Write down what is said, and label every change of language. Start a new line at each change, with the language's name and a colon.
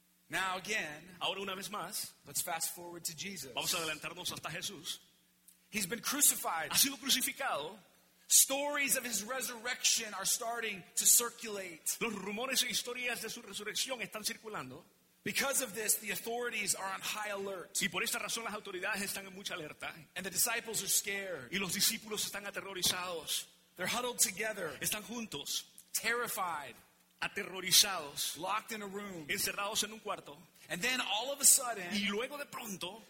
English: Now again,
Spanish: ahora una vez más,
English: let's fast forward to Jesus.
Spanish: Vamos a adelantarnos hasta Jesús.
English: He's been crucified.
Spanish: Ha sido crucificado.
English: Stories of his resurrection are starting to circulate.
Spanish: Los rumores e historias de su resurrección están circulando.
English: Because of this, the authorities are on high alert.
Spanish: Y por esta razón las autoridades están en mucha alerta.
English: And the disciples are scared.
Spanish: Y los discípulos están aterrorizados.
English: They're huddled together.
Spanish: Están juntos.
English: Terrified.
Spanish: Aterrorizados.
English: Locked in a room.
Spanish: Encerrados en un cuarto.
English: And then all of a sudden,
Spanish: y luego de pronto,